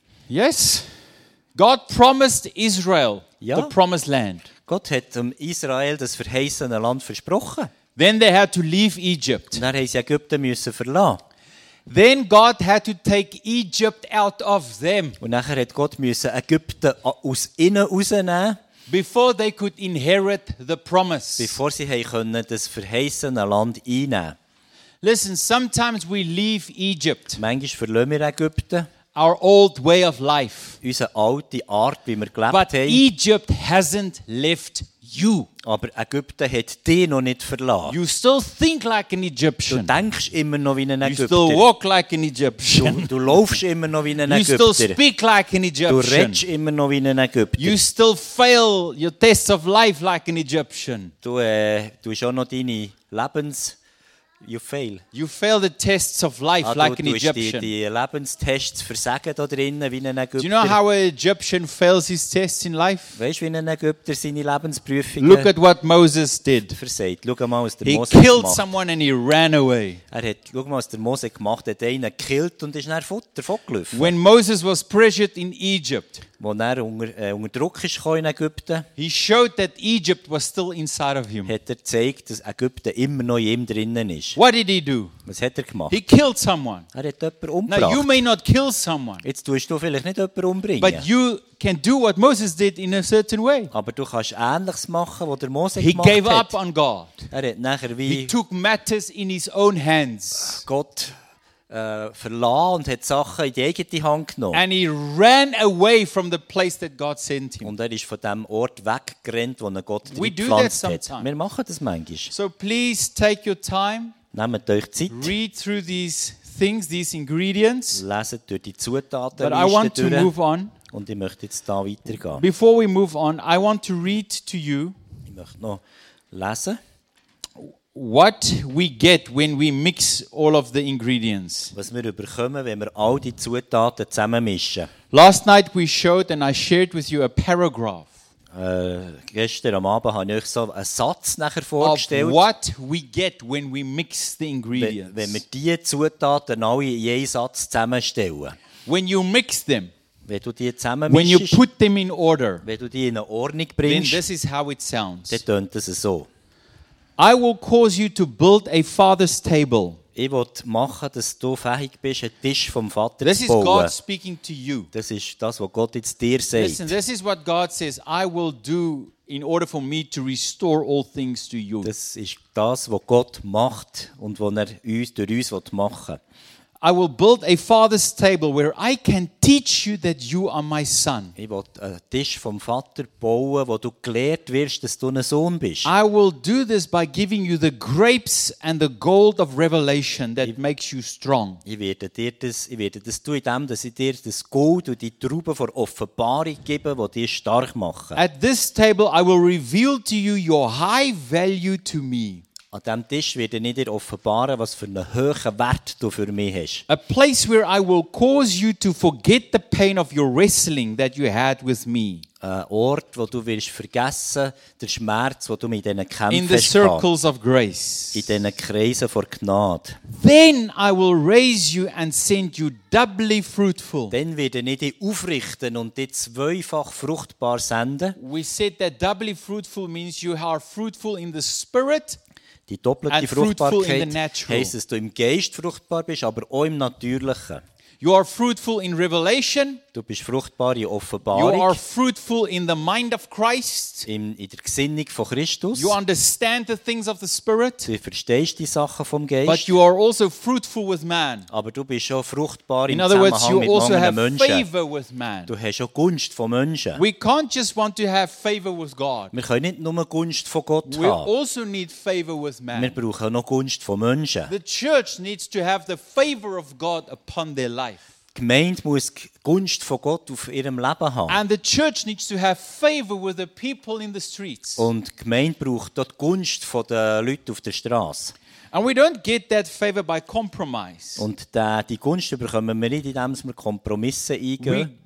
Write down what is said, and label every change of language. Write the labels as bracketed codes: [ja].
[en] Yes, God promised Israel, [de] ja, [en] the promised land. [de] Gott hat Israel das verheißene Land versprochen. [en] Then they had to leave Egypt. [de] Und dann haben sie Ägypten müssen verlassen. [en] Then God had to take Egypt out of them. [de] Und nachher hat Gott müssen Ägypten aus innen rausnehmen. [en] Before they could inherit the promise. [de] Bevor sie haben können das verheißene Land einnehmen. [en] Listen, sometimes we leave Egypt. [de] Manchmal verlassen wir Ägypten. [en] Our old way of life. [de] Unsere alte Art, wie wir gelebt [en] but [de] haben. [en] Egypt hasn't left you. [de] Aber Ägypten hat dich noch nicht verlassen. [en] You still think like an Egyptian. [de] Du denkst immer noch wie ein Ägypter. [en] You still walk like an Egyptian. [de] Du läufst immer noch wie ein Ägypter. [en] You still speak like an Egyptian. [de] Du redest immer noch wie ein Ägypter. [en] You still fail your tests of life like an Egyptian. [de] Du hast auch noch deine Lebens... [en] You fail. You fail the tests of life like an Egyptian. [de] Die Lebenstests versagen da drinnen wie ein Ägypter. [en] Do you know how an Egyptian fails his tests in life? [de] Weißt wie ein Ägypter seine Lebensprüfungen? [en] Look at what Moses did. [de] Versagt. Schau mal, was der Mose [en] He killed someone and he ran away. [de] Er hat, schau mal, was der Mose gemacht. Er hat einen gekillt und ist dann davon gelaufen. [en] When Moses was pressured in Egypt. [de] wo er unter Druck ist in Ägypten. [en] He showed that Egypt was still inside of him. [de] Hat er gezeigt, dass Ägypten immer noch in ihm drinnen ist. [en] What did he do? [de] Was hat er gemacht? [en] He killed someone. [de] Er hat jemanden umgebracht. [en] Now you may not kill someone. [de] Jetzt tust du vielleicht nicht jemanden umbringen. [en] But you can do what Moses did in a certain way. [de] Aber du kannst Ähnliches machen, was der Mose gemacht hat. [en] He gave up on God. [de] Er hat nachher wie. [en] He took matters in his own hands. [de] Gott verlassen und hat Sachen in die eigene Hand genommen. [en] And he ran away from the place that God sent him. [de] Und er ist von dem Ort weggerannt, wo er Gott gepflanzt hat. Wir machen das manchmal. [en] So please take your time. [de] Nehmt euch Zeit. [en] Read through these things, these ingredients. [de] Leset durch die Zutaten. [en] But I want to move on. [de] Und ich möchte jetzt da weitergehen. [en] Before we move on, I want to read to you. [de] Ich möchte noch lesen. [en] What we get when we mix all of the ingredients. [de] Was wir überkommen, wenn wir all die Zutaten zusammenmischen. [en] Last night we showed and I shared with you a paragraph. [de] Gestern am Abend habe ich euch so einen Satz nachher vorgestellt. [en] Of what we get when we mix the ingredients. [de] Wenn wir die Zutaten alle in einen Satz zusammenstellen. [en] When you mix them. [de] Wenn du die zusammenmischst. [en] When you put them in order. [de] Wenn du die in Ordnung bringst. [en] Then this is how it sounds. [de] Dann tönt es so. [en] I will cause you to build a father's table. [de] Ich will machen, dass du fähig bist, einen Tisch vom Vater [en] this [de] zu bauen. [en] Is God speaking to you. [de] Das ist das, was Gott jetzt dir sagt. [en] Listen, this is what God says, I will do in order for me to restore all things to you. [de] Das ist das, was Gott macht und was er uns durch uns machen will. [en] I will build a father's table where I can teach you that you are my son. [de] Ich will einen Tisch vom Vater bauen, wo du gelehrt wirst, dass du ein Sohn bist. [en] I will do this by giving you the grapes and the gold of revelation that makes you strong. [de] Ich werde das tun, indem dass ich dir das Gold und die Trauben von Offenbarung gebe, wo dich stark machen. [en] At this table I will reveal to you your high value to me. [de] An diesem Tisch werde ich dir offenbaren, was für einen hohen Wert du für mich hast. [en] A place where I will cause you to forget the pain of your wrestling that you had with me. [de] Ein Ort, wo du wirst vergessen, der Schmerz, wo du mit diesen Kämpfen hast. [en] In the circles of grace. [de] In diesen Kreisen vor Gnade. [en] Then I will raise you and send you doubly fruitful. [de] Dann werde ich dich aufrichten und dich zweifach fruchtbar senden. [en] We said that doubly fruitful means you are fruitful in the spirit. [de] Die doppelte Fruchtbarkeit heisst, dass du im Geist fruchtbar bist, aber auch im Natürlichen. [en] You are fruitful in revelation. [de] Du bist fruchtbar in Offenbarung. [en] You are fruitful in the mind of Christ. [de] In der Gesinnung von Christus. [en] You understand the things of the Spirit. [de] Du verstehst die Sachen vom Geist. [en] But you are also fruitful with man. [de] Aber du bist auch fruchtbar in im Zusammenhang mit anderen also Menschen. [en] Favor with man. [de] Du hast auch Gunst von Menschen. [en] We can't just want to have favor with God. [de] Wir können nicht nur Gunst von Gott [en] we [de] haben. [en] Also need favor with man. [de] Wir brauchen auch noch Gunst von Menschen. [en] The church needs to have the favor of God upon their life. [de] Die Gemeinde muss Gunst von Gott auf ihrem Leben haben. [en] And the church needs to have favor with the people in the streets. [de] Und die Gemeinde braucht dort Gunst von den Leuten auf der Straße. [en] And we don't get that favor by compromise. [de] Und die Gunst bekommen wir nicht, indem wir Kompromisse eingehen.